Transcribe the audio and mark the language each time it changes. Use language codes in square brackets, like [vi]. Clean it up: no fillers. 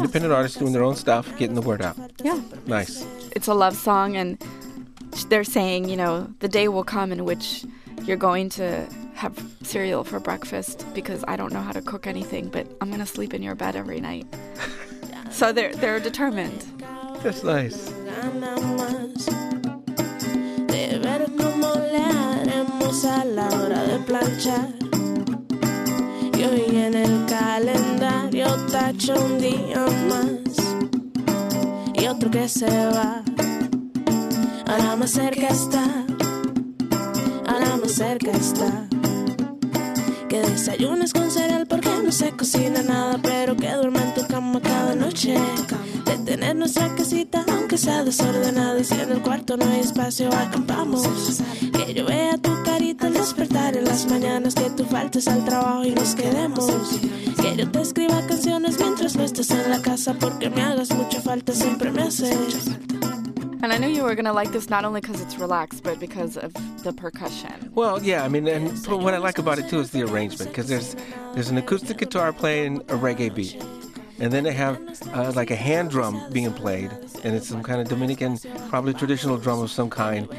[en] Independent artists doing their own stuff, getting the word out. Yeah. Nice. It's a love song, and they're saying, you know, the day will come in which you're going to have cereal for breakfast because I don't know how to cook anything, but I'm gonna sleep in your bed every night. So they're determined. That's nice. [es] De ver cómo le haremos a la hora de planchar. Y hoy en el calendario tacho un día más. Y otro que se va. Ahora más cerca está. Ahora más cerca está. Que desayunes con cereal porque no se cocina nada, pero que duerma en tu cama cada noche. De tener nuestra casita, aunque sea desordenada, y si en el cuarto no hay espacio, acampamos. Que yo vea tu carita al despertar en las mañanas, que tú faltes al trabajo y nos quedemos. Que yo te escriba canciones mientras no estés en la casa, porque me hagas mucha falta, siempre me haces. [en] And I knew you were going to like this not only because it's relaxed, but because of the percussion. Well, yeah, I mean, and but what I like about it, too, is the arrangement. Because there's an acoustic guitar playing a reggae beat. And then they have, like, a hand drum being played. And it's some kind of Dominican, probably traditional drum of some kind.